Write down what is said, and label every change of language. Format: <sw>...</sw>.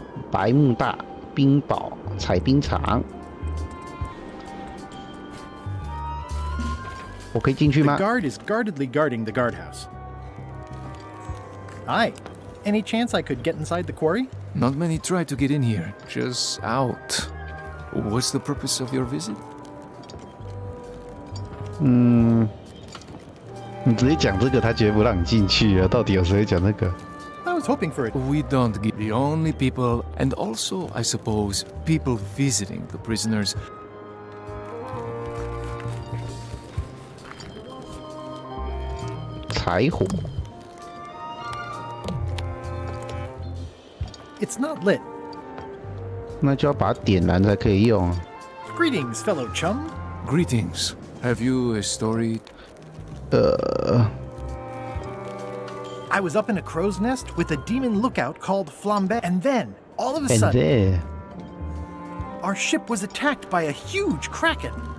<zh>白慕大冰堡采冰场，我可以进去吗？</zh> <en>The guard is guardedly guarding the guardhouse. Hi, any chance I could get inside the quarry? Not many try to get in here, just out. What's the purpose of your visit?</en> <zh>你直接讲这个，他绝不让你进去啊！到底有谁讲这个？</zh> <en>I was hoping for it. We don't get the only people, and also, I suppose, people visiting the prisoners. It's not lit.</en> <zh>那就要把它点燃才可以用。</zh> <en>Greetings, fellow chum. Greetings. Have you a story? I was up in a crow's nest with a demon lookout called Flambe, and then, all of a sudden, there. Our ship was attacked by a huge kraken.</en>